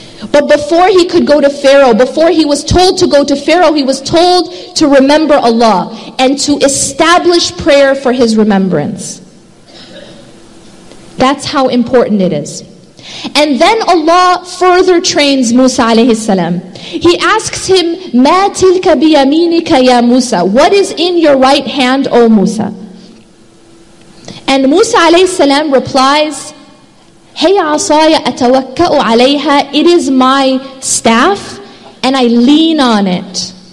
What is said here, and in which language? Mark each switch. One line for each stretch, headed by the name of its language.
English: But before he could go to Pharaoh, before he was told to go to Pharaoh, he was told to remember Allah and to establish prayer for his remembrance. That's how important it is. And then Allah further trains Musa alayhi salam. He asks him,
Arabic: مَا تِلْكَ بِيَمِينِكَ يَا مُوسَى.
English: What is in your right hand, O Musa? And Musa alayhi salam replies,
Arabic: هي عصايا أتوكأ عليها.
English: It is my staff and I lean on it.